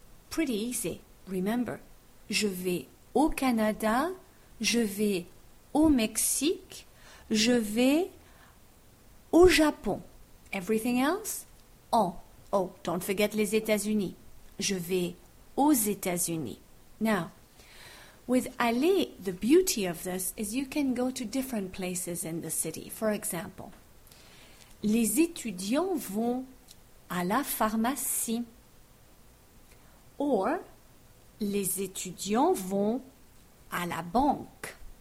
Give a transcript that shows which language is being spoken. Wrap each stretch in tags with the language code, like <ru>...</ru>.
<en>Pretty easy, remember.</en> <fr>Je vais au Canada, je vais au Mexique, je vais au Japon.</fr> <en>Everything else?</en> <fr>En.</fr> <en>Oh, don't forget les États-Unis.</en> <fr>Je vais aux États-Unis.</fr> <en>Now, with aller, the beauty of this is you can go to different places in the city. For example,</en> <fr>les étudiants vont à la pharmacie. Or, les étudiants vont à la banque.</fr>